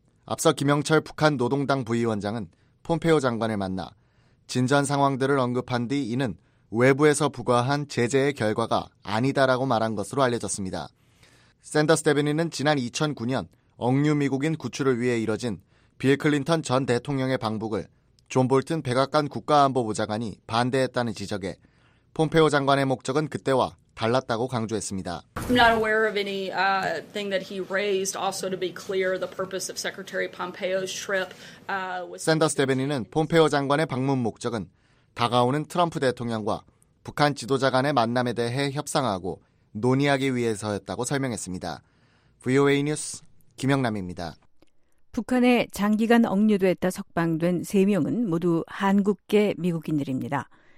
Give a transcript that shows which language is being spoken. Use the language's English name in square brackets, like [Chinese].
[Korean] 앞서 김영철 북한 노동당 부위원장은 폼페오 장관을 만나 진전 상황들을 언급한 뒤 이는 외부에서 부과한 제재의 결과가 아니다라고 말한 것으로 알려졌습니다. 샌더스 대변인은 지난 2009년 억류 미국인 구출을 위해 이뤄진 빌 클린턴 전 대통령의 방북을 존 볼튼 백악관 국가안보부 장관이 반대했다는 지적에 폼페오 장관의 목적은 그때와 달랐다고 강조했습니다. [English] I'm not aware of any thing that he raised. Also to be clear, the purpose of Secretary Pompeo's trip was [Korean] 샌더스 대변인은 폼페오 장관의 방문 목적은 다가오는 트럼프 대통령과 북한 지도자 간의 만남에 대해 협상하고 논의하기 위해서였다고 설명했습니다. VOA 뉴스 김영남입니다. 북한에 장기간 억류됐다 석방된 3명은 모두 한국계 미국인들입니다.